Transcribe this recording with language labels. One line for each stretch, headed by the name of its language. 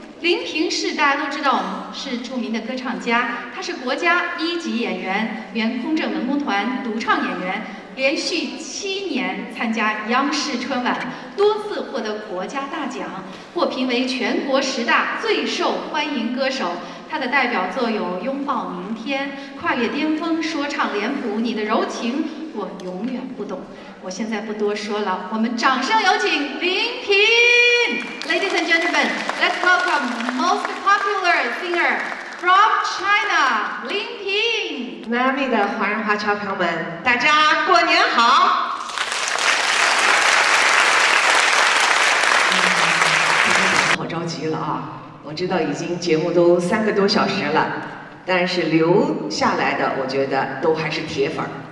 Chinese: 林平是大家都知道，我们是著名的歌唱家，他是国家一级演员，原空政文工团独唱演员，连续7年参加央视春晚，多次获得国家大奖，获评为全国10大最受欢迎歌手。他的代表作有《拥抱明天》《跨越巅峰》《说唱脸谱》《你的柔情我永远不懂》。我现在不多说了，我们掌声有请林平。
English: Ladies and gentlemen, let's welcome most popular singer from China, 林平。
Chinese: Miami 的华人华侨朋友们，大家过年好。好着急了啊，我知道已经节目都3个多小时了，但是留下来的我觉得都还是铁粉。